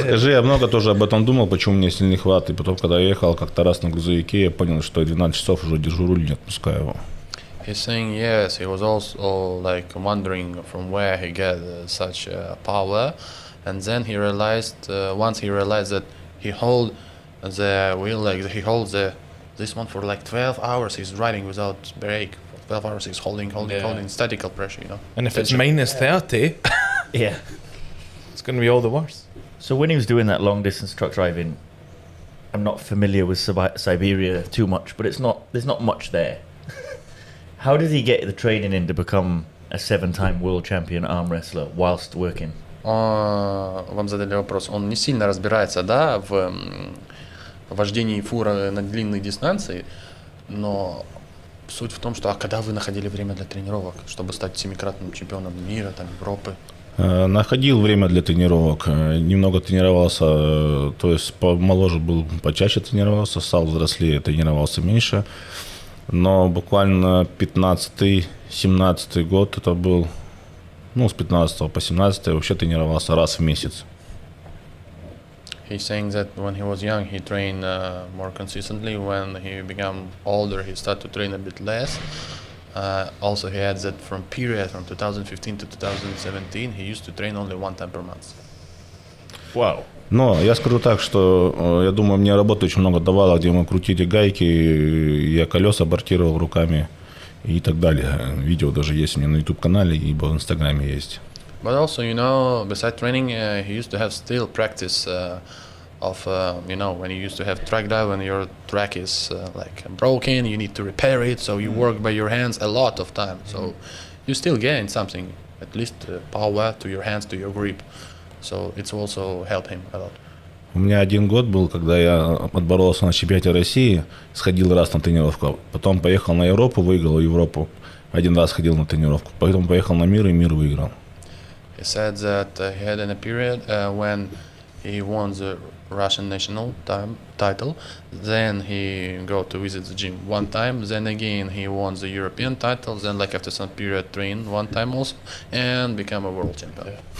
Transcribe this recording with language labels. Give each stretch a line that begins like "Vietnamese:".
Russian: Скажи, я много тоже об этом думал, почему мне сильный хват, и потом, когда я ехал как-то раз на грузовике, я понял, что 12 часов уже держу руль, не отпускаю его.
English: He's saying yes, he was also like wondering from where he get such power, and then he realized once he realized that he hold the wheel like he holds the this one for like 12 hours he's riding without brake. 12 hours is holding static pressure, you know. And if it's minus 30, yeah, it's going to be all the worse. So when he was doing that long distance truck driving, I'm not familiar with Siberia too much, but there's not much there. How did he get the training in to become a 7-time world champion arm wrestler whilst working?
Russian: Вам задали вопрос. Он не сильно разбирается, да, в вождении фуры на длинной дистанции, но суть в том, что а когда вы находили время для тренировок, чтобы стать семикратным чемпионом мира, там, Европы? Находил время для тренировок. Немного тренировался, то есть помоложе был, почаще тренировался, стал взрослее, тренировался меньше. Но буквально 15-17 год это был, ну, с 15 по 17 вообще тренировался раз в месяц.
English: He's saying that when he was young, he trained more consistently. When he became older, he started to train a bit less. Also, he had that from period from 2015 to 2017, he used to train only one time per month. Wow.
Russian: Но я скажу так, что я думаю, мне работа очень много давала, где мы крутили гайки, я колеса бортировал руками и так далее. Видео даже есть у меня на YouTube-канале и в Инстаграме есть.
English: But also, you know, besides training, he used to have still practice you know, when you used to have track drive and your track is like broken, you need to repair it. So you work by your hands a lot of time. So you still gain something, at least power to your hands, to your grip. So it's also helped him a lot.
Russian: У меня один год был, когда я отборолся на чемпионате России, сходил раз на тренировку, потом поехал на Европу, выиграл Европу, один раз ходил на тренировку, потом поехал на мир и мир выиграл.
English: He said that he had in a period when he won the Russian national title, then he go to visit the gym one time, then again he won the European title, then like after some period train one time also, and become a world champion.